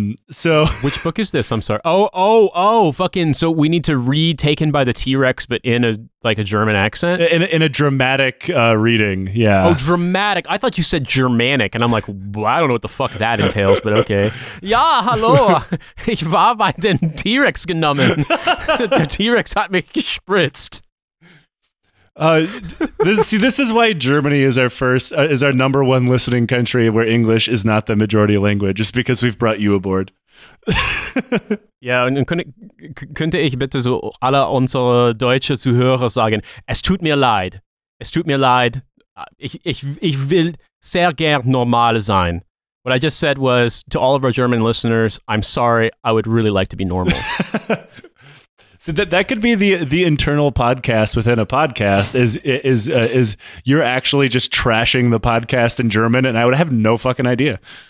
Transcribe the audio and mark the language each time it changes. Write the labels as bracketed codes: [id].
[en] So which book is this? I'm sorry. Oh, fucking. So we need to read Taken by the T-Rex, but in a, like a German accent in a dramatic, reading. Yeah. Oh, dramatic. I thought you said Germanic and I'm like, well, I don't know what the fuck that entails, but okay. Yeah. [de] Hallo. Ich war bei den T-Rex genommen. Der T-Rex hat mich gespritzt. [en] This is why Germany is our first, is our number one listening country where English is not the majority language, just because we've brought you aboard. [de] Yeah, und könnte ich bitte so alle unsere deutsche Zuhörer sagen, es tut mir leid. Es tut mir leid. Ich will sehr gern normal sein. [en] What I just said was to all of our German listeners, I'm sorry, I would really like to be normal. So that could be the internal podcast within a podcast is you're actually just trashing the podcast in German and I would have no fucking idea.